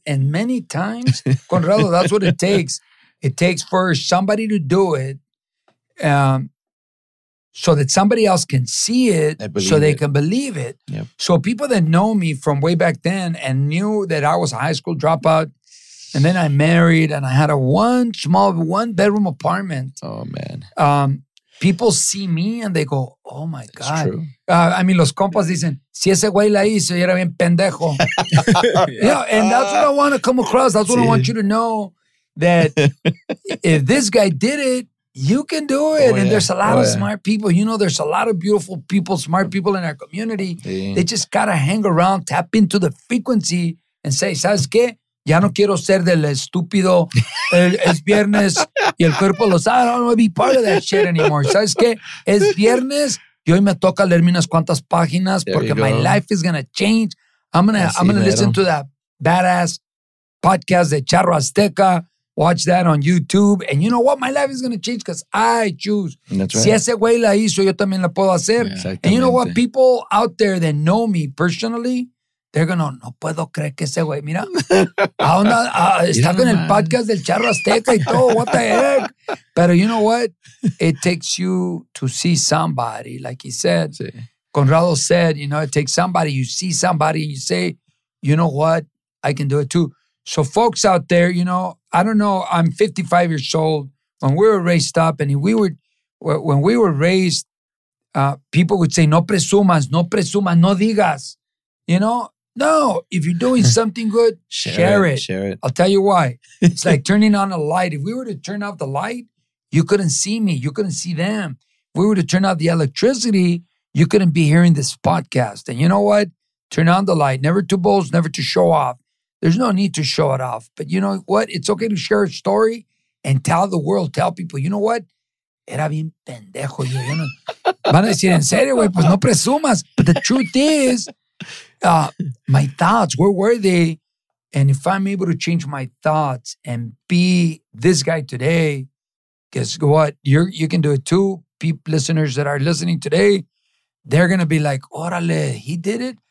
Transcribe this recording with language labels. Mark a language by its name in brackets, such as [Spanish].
[English] And many times, Conrado, that's what it takes. It takes for somebody to do it so that somebody else can see it so they can believe it. Yep. So people that know me from way back then and knew that I was a high school dropout and then I married and I had a one-bedroom apartment. Oh, man. People see me and they go, oh my God. That's true. [Spanish] I mean, los compas dicen, si ese güey la hizo, era bien pendejo. [English] Yeah, and that's what I want to come across. That's what I want you to know. That if this guy did it, you can do it. Oh, and there's a lot of smart people. You know, there's a lot of beautiful people, smart people in our community. Damn. They just got to hang around, tap into the frequency and say, [Spanish] ¿sabes qué? Ya no quiero ser del estúpido. Es viernes y el cuerpo lo sabe. [English] I don't want to be part of that shit anymore. [Spanish] ¿Sabes qué? Es viernes. y hoy me toca leerme unas cuantas páginas [English] there [Spanish] porque [English] my life is gonna change. I'm gonna listen to that badass podcast de Charro Azteca. Watch that on YouTube. And you know what? My life is gonna change because I choose. That's right. [Spanish] Si ese güey la hizo, yo también la puedo hacer. [English] Yeah. And you know what? People out there that know me personally, they're going to, [Spanish] no puedo creer que ese güey, mira, está con el podcast del Charro Azteca y todo, [English] what the heck? But you know what? It takes you to see somebody, like he said. [Spanish] Sí. [English] Conrado said, you know, it takes somebody, you see somebody, and you say, you know what? I can do it too. So folks out there, you know, I don't know, I'm 55 years old. When we were raised up, and when we were raised, people would say, [Spanish] no presumas, no presumas, no digas. [English] You know, no, if you're doing something good, share it. I'll tell you why. It's like turning on a light. If we were to turn off the light, you couldn't see me. You couldn't see them. If we were to turn off the electricity, you couldn't be hearing this podcast. And you know what? Turn on the light. Never too bold, never to show off. There's no need to show it off. But you know what? It's okay to share a story and tell the world, tell people. You know what? [Spanish] Era bien pendejo. Van a decir, en serio, güey, pues no presumas. [English] But the truth is, my thoughts, where were they? And if I'm able to change my thoughts and be this guy today, guess what? You can do it too. Listeners that are listening today, they're going to be like, órale, he did it.